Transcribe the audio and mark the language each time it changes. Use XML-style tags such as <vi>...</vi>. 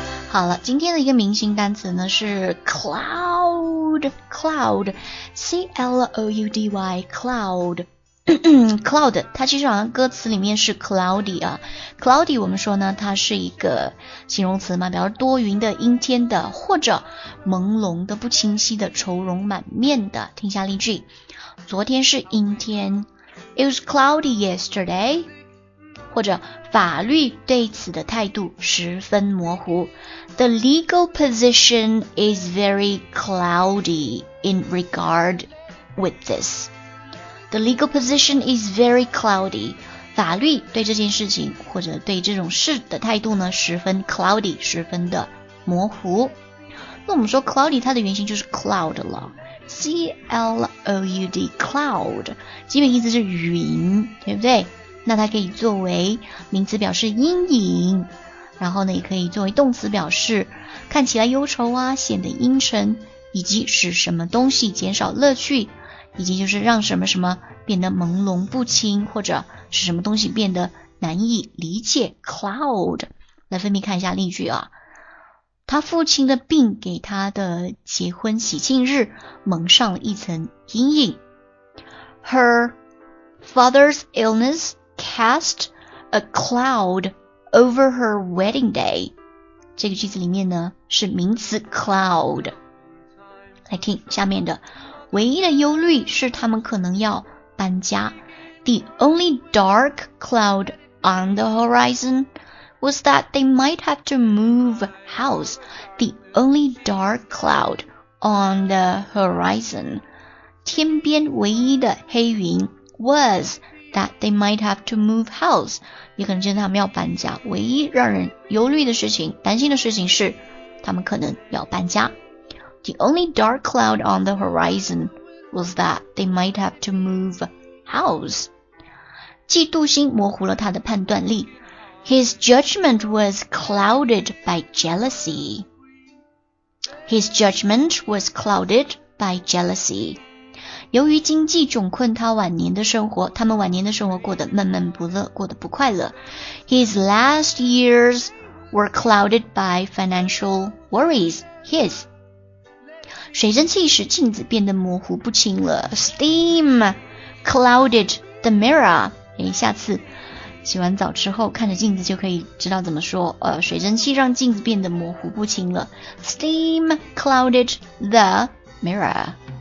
<zh>好了，今天的一个明星单词呢是 cloud， C-L-O-U-D-Y， cloud， cloud， 它其实好像歌词里面是 cloudy 啊， cloudy 我们说呢，它是一个形容词嘛，比如多云的、阴天的，或者朦胧的、不清晰的、愁容满面的。听下例句，昨天是阴天，</zh> <en>It was cloudy yesterday。</en> <zh>或者法律对此的态度十分模糊，</zh> <en>The legal position is very cloudy in regard with this. The legal position is very cloudy.</en> <zh>法律对这件事情或者对这种事的态度呢，十分 cloudy， 十分的模糊。那我们说 cloudy 它的原型就是 cloud 了， C-L-O-U-D， cloud， 基本意思是云，对不对？那它可以作为名词表示阴影，然后呢也可以作为动词表示看起来忧愁啊，显得阴沉，以及使什么东西减少乐趣，以及就是让什么什么变得朦胧不清，或者使什么东西变得难以理解。 cloud， 来分别看一下例句啊。他父亲的病给他的结婚喜庆日蒙上了一层阴影。</zh> <en>Her father's illnessCast a cloud over her wedding day.</en> <zh>这个句子里面呢是名词 cloud。来听下面的，唯一的忧虑是他们可能要搬家。</zh> <en>The only dark cloud on the horizon was that they might have to move house. The only dark cloud on the horizon.</en> <zh>天边唯一的黑云</zh> <en>wasThat they might have to move house，</en> <zh>也可能就是他们要搬家。唯一让人忧虑的事情、担心的事情是，他们可能要搬家。</zh> <en>The only dark cloud on the horizon was that they might have to move house。</en> <zh>嫉妒心模糊了他的判断力。</zh> <en>His judgment was clouded by jealousy。 His judgment was clouded by jealousy。</en> <zh>由于经济窘困，他们晚年的生活过得闷闷不乐，过得不快乐。</zh> <en>His last years were clouded by financial worries.</en> <zh>His 水蒸气使镜子变得模糊不清了。</zh> <en>Steam clouded the mirror.</en> <zh>下次洗完澡之后看着镜子就可以知道怎么说。水蒸气让镜子变得模糊不清了。</zh> <en>Steam clouded the mirror.</en>